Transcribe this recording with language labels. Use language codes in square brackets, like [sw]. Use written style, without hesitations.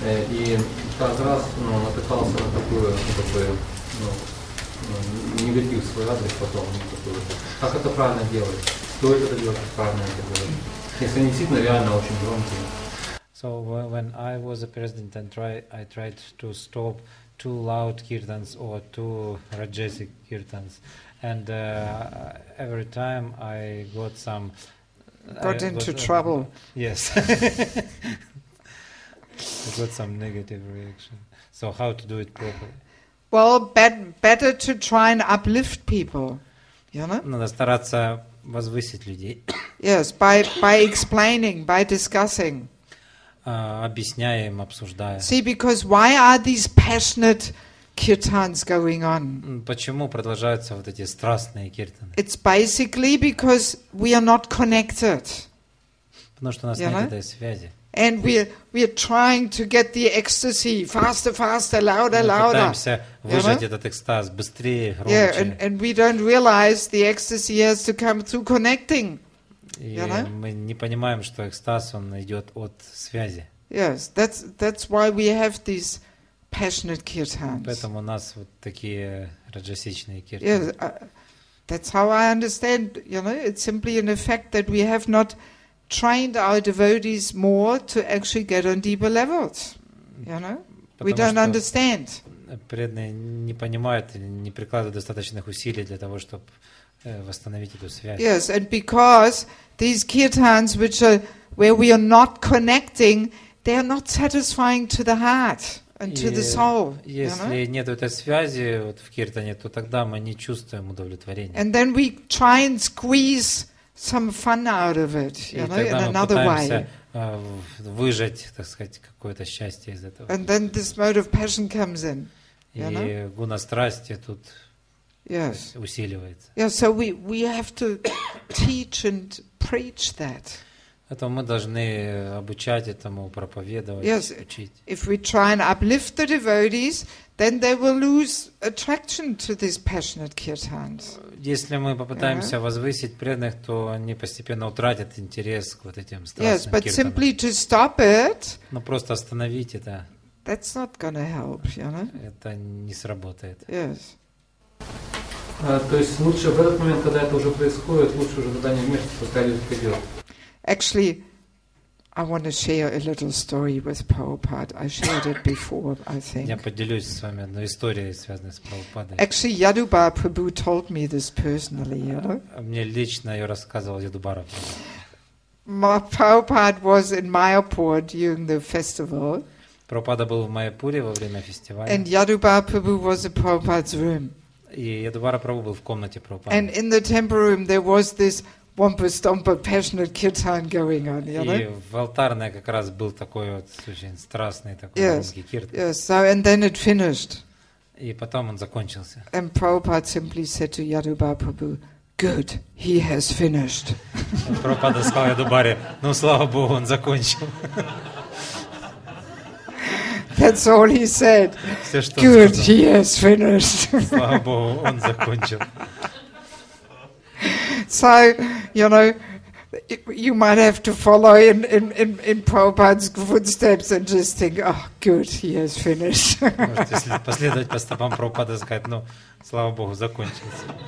[ru] И каждый раз натыкался на негатив в свой адрес потом. Как это правильно делать? Стоит это делать правильно? Если они действительно реально очень громкие. [en] So when I was a president and I tried to stop too loud kirtans or too rajasic kirtans, and every time I got some trouble. Yes, I got some negative reaction. So how to do it properly? Well, better to try and uplift people. You know. [ru] Надо стараться возвысить людей. [en] Yes, by explaining, by discussing. [ru] Объясняя им, обсуждая. [en] See, because why are these passionate, kirtans going on? [ru] Почему продолжаются вот эти страстные киртаны? [en] It's basically because we are not connected. [ru] Потому что у нас нет этой связи. [en] And we're trying to get the ecstasy faster, faster, louder, louder. [ru] Мы пытаемся выжать этот экстаз быстрее, громче. [en] Yeah, and we don't realize the ecstasy has to come through connecting. [ru] Мы не понимаем, что экстаз он идет от связи. [en] Yes, that's why we have these passionate kirtans. [ru] Поэтому у нас вот такие раджасичные киртаны. [en] Yes, that's how I understand. You know, it's simply an effect that we have not trained our devotees more to actually get on deeper levels. You know, we don't understand. [ru] Преданные не понимают, не прикладывают достаточных усилий для того, чтобы восстановить эту связь. [en] Yes, and because these kirtans, which are where we are not connecting, they are not satisfying to the heart and to the soul. [ru] Если нет этой связи вот в киртане, то тогда мы не чувствуем удовлетворения. [en] And then we try and squeeze some fun out of it, you know, in another way. [ru] Выжать, так сказать, какое-то счастье из этого. [en] And then this mode of passion comes in. [ru] И гуна страсти тут усиливается. [en] Yeah, so we have to teach and preach that. [ru] Это мы должны обучать этому, проповедовать, учить. [en] If we try and uplift the devotees, then they will lose attraction to these passionate kirtans. [ru] Если мы попытаемся возвысить преданных, то они постепенно утратят интерес к вот этим страстным [en] киртанам. Yes, but simply to stop it. [ru] Но просто остановить это. [en] That's not going to help, you know. [ru] Это не сработает. [en] Yes. [ru] То есть лучше в этот момент, когда это уже происходит, лучше уже тогда не вмешиваться, пока идет вперед. [en] Actually, I want to share a little story with Prabhupada. I shared it before, I think. [ru] Я поделюсь с вами одной историей, связанной с Прабхупадой. [en] Actually, Yadubar Prabhu told me this personally, you know. [ru] Мне лично ее рассказывал Yadubar Prabhu. [en] Prabhupada was in Mayapur during the festival. [ru] Прабхупада был в Майяпуре во время фестиваля. [en] And Yadubar Prabhu was in Prabhupada's room. [ru] И Yadubar Prabhu был в комнате Прабхупады. [en] And in the temple room there was this Wampa stompa passionate kirtan going on, you know? [ru] И в алтарной как раз был такой вот очень страстный такой громкий киртан. [en] Yes. So and then it finished. [ru] И потом он закончился. [en] And Prabhupada simply said to Yadubar Prabhu, "Good, he has finished." [ru] Прабхупада сказал Yadubare, "Ну слава богу, он закончил." [en] That's all he said. [ru] Все, что [en] Good, [ru] он сказал. [en] He has finished. [ru] Слава богу, он закончил. [en] So, you know, you might have to follow in Prabhupada's footsteps and just think, oh, good, he has finished. [ru] Можете последовать по стопам Прабхупады и сказать, ну, слава Богу, закончился.